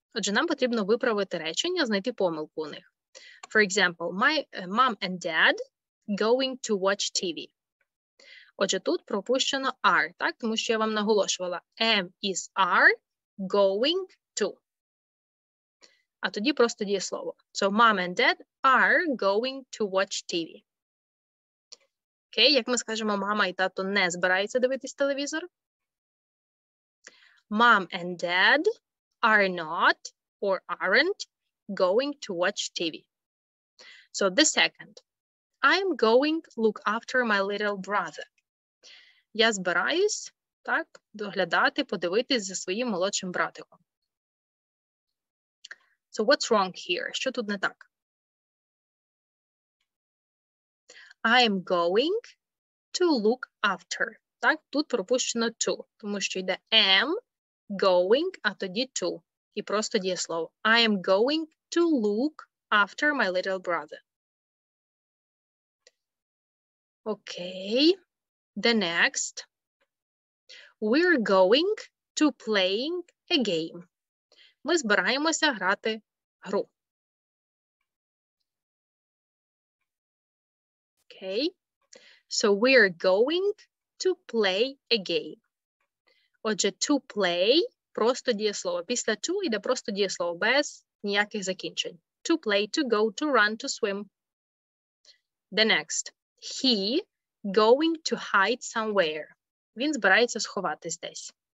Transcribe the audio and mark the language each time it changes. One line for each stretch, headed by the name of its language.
Ukrainian: Отже, нам потрібно виправити речення, знайти помилку у них.
English: For example, my mom and dad going to watch TV.
Ukrainian: Отже, тут пропущено are, так? Тому що я вам наголошувала.
English: Am is are going to.
Ukrainian: А тоді просто дієслово.
English: So, mom and dad are going to watch TV.
Ukrainian: Окей, як ми скажемо, мама і тато не збираються дивитись телевізор?
English: Mom and dad are not or aren't going to watch TV. So the second, I'm going to look after my little brother.
Ukrainian: Я збираюсь, так, доглядати, подивитись за своїм молодшим братиком.
English: So what's wrong here?
Ukrainian: Що тут не так?
English: I'm going to look after.
Ukrainian: Так, тут пропущено to, тому що йде am.
English: Going,
Ukrainian: а тоді
English: to.
Ukrainian: І просто дієслово.
English: I am going to look after my little brother. Okay, the next. We're going to playing a game.
Ukrainian: Ми збираємося грати гру.
English: Okay, so we're going to play a game.
Ukrainian: Отже, to play – просто дієслово. Після to йде просто дієслово, без ніяких закінчень.
English: To play, to go, to run, to swim. The next. He going to hide somewhere.
Ukrainian: Він збирається сховатись десь.